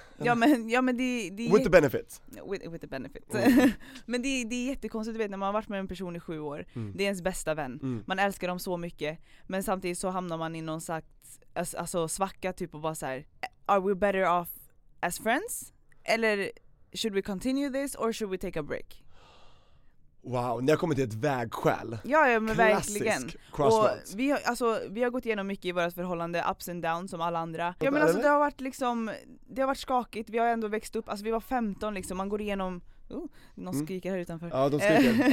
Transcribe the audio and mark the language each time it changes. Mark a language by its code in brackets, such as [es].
[sv] Ja men det [en] with the benefit. With the benefit. Mm. [sv] Men det är jättekonstigt, du vet, när man har varit med en person i 7 år. Mm. Det är ens bästa vän. Mm. Man älskar dem så mycket, men samtidigt så hamnar man i någon slags alltså svacka typ och bara så här, [en] are we better off as friends? Eller should we continue this or should we take a break? [sv] Wow, ni har kommit till ett vägskäl. Ja, men klassisk verkligen. [en] Crossroads. [sv] Och vi har gått igenom mycket i vårt förhållande, [en] ups and downs [sv] som alla andra. Ja, men alltså, det har varit skakigt. Vi har ändå växt upp. Alltså vi var 15 liksom. Man går igenom. Någon skriker här utanför. Ja, de skriker.